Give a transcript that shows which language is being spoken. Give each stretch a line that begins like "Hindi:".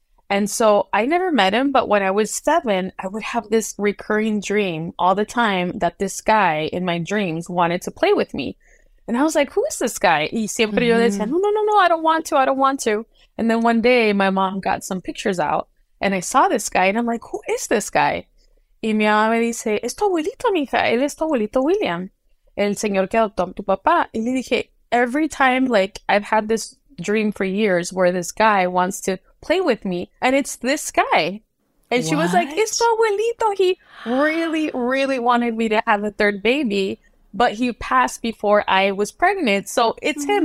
English: And so I never met him, but when I was 7, I would have this recurring dream all the time that this guy in my dreams wanted to play with me. And I was like, who is this guy?
Spanish: Y siempre yo decía, no,
English: I don't want to. And then one day my mom got some pictures out and I saw this guy and I'm like, who is this guy?
Spanish: Y mi mamá me dice, es tu abuelito, mija. Él es tu abuelito William, el señor que adoptó tu papá. Y le dije,
English: every time, like, I've had this dream for years where this guy wants to play with me and it's this guy. And what? She was like, it's so abuelito. He really, really wanted me to have a third baby, but he passed before I was pregnant. So it's him.